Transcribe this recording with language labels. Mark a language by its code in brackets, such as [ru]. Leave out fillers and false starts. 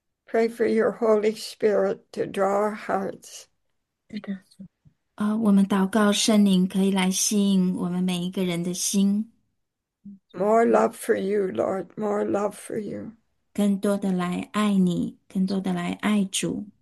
[en] Pray for your Holy Spirit to draw our hearts. [zh] 我们祷告圣灵可以来吸引我们每一个人的心， [en] More love for you, Lord, more love for you. [zh] 更多的来爱你，更多的来爱主。